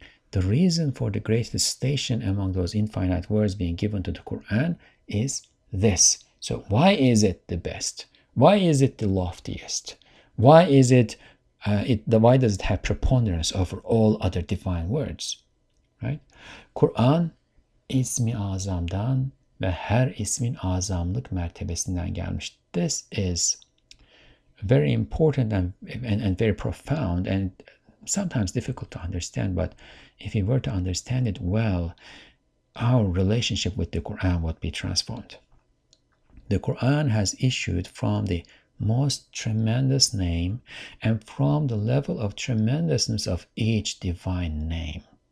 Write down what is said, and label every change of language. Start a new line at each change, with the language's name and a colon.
English: The reason for the greatest station among those infinite words being given to the Quran is this. So why is it the best? Why is it the loftiest? Why is it, why does it have preponderance over all other divine words? Right?
Turkish: Quran ismi azamdan ve her ismin azamlık mertebesinden gelmiş.
English: This is very important and very profound and sometimes difficult to understand, but if we were to understand it well, our relationship with the Quran would be transformed. The Quran has issued from the most tremendous name and from the level of tremendousness of each divine name.